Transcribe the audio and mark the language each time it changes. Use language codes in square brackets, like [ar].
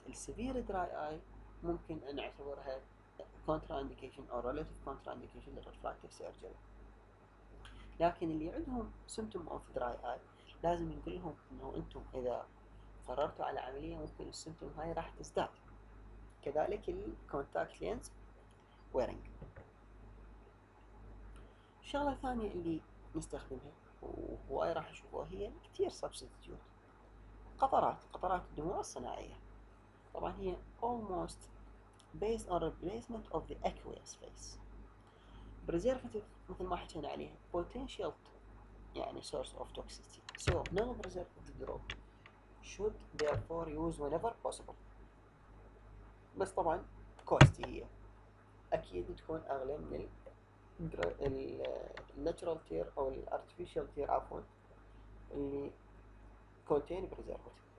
[ar] السيفير دراي اي ممكن ان نعتبرها [en] contraindication or relative contraindication [ar] للرفراكتف سيرجري، لكن اللي عندهم [en] symptom of dry eye [ar] لازم نقولهم انه انتم اذا قررتوا على عملية ممكن السمتوم هاي راح تزداد، كذلك [en] contact lens wearing. [ar] الشغلة الثانية اللي نستخدمها وهواي راح نشوفها هي كتير substitute قطرات الدموع الصناعية. طبعا هي [en] almost based on replacement of the aqueous phase. [ar] preservative مثل ما حكينا عليها potential يعني [en] source of toxicity. so no preservative drop should therefore use whenever possible. [ar] بس طبعا costly هي اكيد تكون اغلى من ال [en] natural tear [ar] او ال [en] artificial tear [ar] عفوا اللي [en] contain preservative.